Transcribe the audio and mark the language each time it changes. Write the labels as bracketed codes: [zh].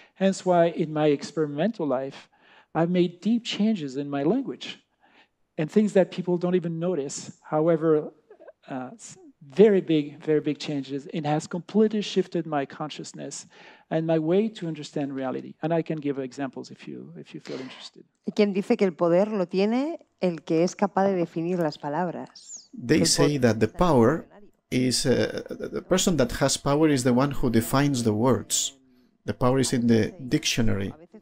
[en] Hence why in my experimental life, I've made deep changes in my language and things that people don't even notice. However, very big, very big changes. It has completely shifted my consciousness and my way to understand reality. And I can give examples if you feel interested. [es] Quien dice que el poder lo tiene el que es capaz de definir las palabras. [en] They say that the power is the person that has power is the one who defines the words. The power is in the dictionary.